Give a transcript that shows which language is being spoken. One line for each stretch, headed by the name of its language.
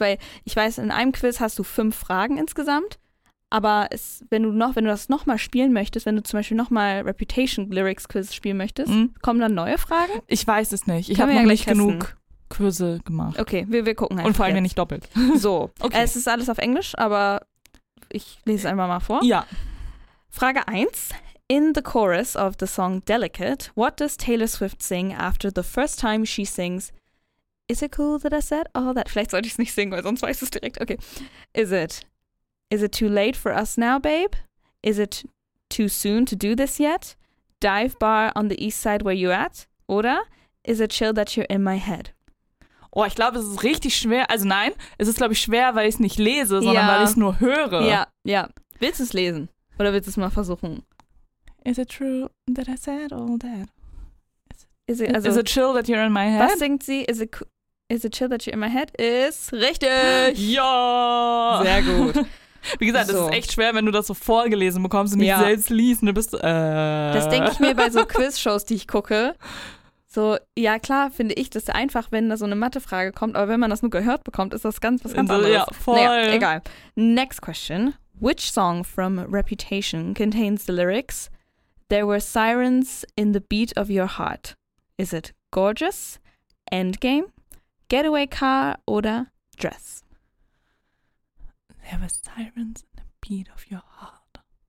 German: Weil ich weiß, in einem Quiz hast du 5 Fragen insgesamt. Aber es, wenn du das nochmal spielen möchtest, wenn du zum Beispiel nochmal Reputation Lyrics Quiz spielen möchtest, kommen dann neue Fragen? Ich weiß es nicht. Ich habe noch nicht genug Quizze gemacht. Okay, wir gucken einfach. Und vor allem nicht doppelt. So, okay. Es ist alles auf Englisch, aber ich lese es einfach mal vor. Ja. Frage 1.
English: In the chorus of the song Delicate, what does Taylor Swift sing after the first time she sings Is it cool that I said all that?
German: Vielleicht sollte ich es nicht singen, weil sonst weiß es direkt.
English: Okay. Is it too late for us now, babe? Is it too soon to do this yet? Dive bar on the east side where you at? Oder is it chill that you're in my head?
German: Oh, ich glaube, es ist richtig schwer. Also nein, es ist, glaube ich, schwer, weil ich es nicht lese, sondern weil ich es nur höre. Ja, ja. Willst du es lesen? Oder willst du es mal versuchen?
English: Is it true that I said all that? Is it chill that you're in my head?
German: Was singt sie?
English: Is it chill that you're in my head?
German: Ist richtig. Ja. Sehr gut. Wie gesagt, es ist echt schwer, wenn du das so vorgelesen bekommst und nicht selbst liest. Du bist, Das denke ich mir bei so Quizshows, die ich gucke. So, ja klar, finde ich das einfach, wenn da so eine Mathefrage kommt. Aber wenn man das nur gehört bekommt, ist das ganz was ganz anderes. Ja, voll. Naja, egal.
English: Next question. Which song from Reputation contains the lyrics There were sirens in the beat of your heart? Is it Gorgeous, Endgame, Getaway Car oder Dress? There were sirens in the beat of your heart.